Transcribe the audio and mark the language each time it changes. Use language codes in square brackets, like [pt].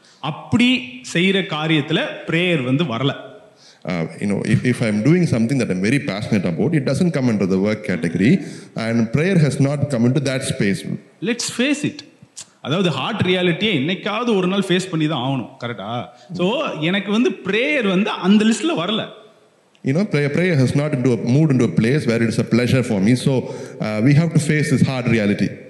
[ta] அப்படி செய்யற காரியத்துல prayer வந்து வரல. [en] You know, if I'm doing something that I'm very passionate about, it doesn't come under the work category and prayer has not come into that space. Let's face it. [ta] அதாவது heart ரியாலிட்டியை என்னைக்காவது ஒரு நாள் face பண்ணி தான் ஆகணும், கரெக்டா? So எனக்கு வந்து prayer வந்து அந்த லிஸ்ட்ல வரல. [en] You know, prayer has not moved into a place where it is a pleasure for me. So, we have to face this hard reality.